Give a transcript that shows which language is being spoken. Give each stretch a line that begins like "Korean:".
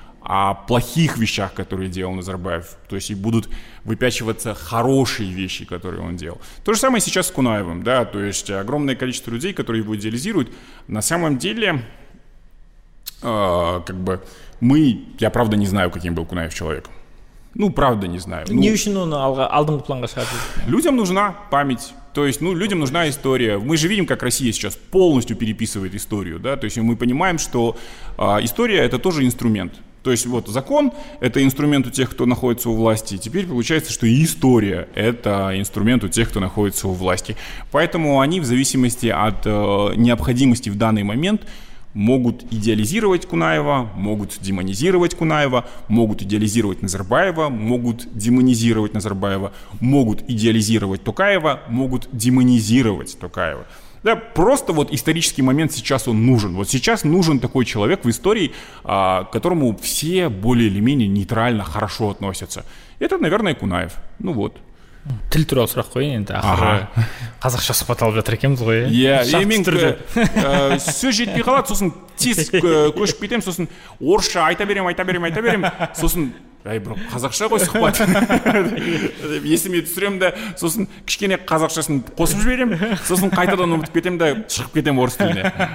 Russian: о плохих вещах, которые делал Назарбаев. То есть и будут выпячиваться хорошие вещи, которые он делал. То же самое сейчас с Кунаевым, да, то есть огромное количество людей, которые его идеализируют. На самом деле, как бы мы, я правда не знаю, каким был Кунаев человек. Ну, правда не знаю. Не очень, но
Kazakh: Алдын Куплан-ға шығады.
Russian: Людям нужна память. То есть, ну, людям нужна история. Мы же видим, как Россия сейчас полностью переписывает историю, да, то есть мы понимаем, что история — это тоже инструмент. То есть вот закон — это инструмент у тех, кто находится у власти, теперь получается, что и история — это инструмент у тех, кто находится у власти. Поэтому они в зависимости от необходимости в данный момент могут идеализировать Кунаева, могут демонизировать Кунаева, могут идеализировать Назарбаева, могут демонизировать Назарбаева, могут идеализировать Токаева, могут демонизировать Токаева. Да, просто вот исторический момент сейчас он нужен. Вот сейчас нужен такой человек в истории, которому все более или менее нейтрально, хорошо относятся. Это, наверное, Кунаев. Ну вот.
Kazakh: Тіл туралы сұрақ қояйын енді, ақыры қазақша сұхбаталып жатыр екенбіз ғой. Иә, мен сөз жетпей қалады, сосын тез көшіп кетемін, сосын орысша айта беремін, айта беремін, айта беремін, сосын әй, бірақ қазақша ғой сұхбат деп есіме түсіремін де, сосын кішкене қазақшасын қосып жіберемін, сосын қайтадан ұмытып кетемін де шығып кетемін орыс тіліне.